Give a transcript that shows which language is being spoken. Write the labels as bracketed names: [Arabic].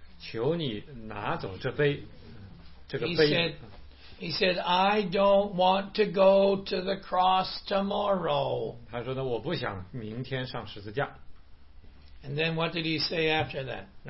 [English] He said, I don't want to go to the cross tomorrow. [Chinese] 他说呢，我不想明天上十字架。 [English] And then what did he say after that?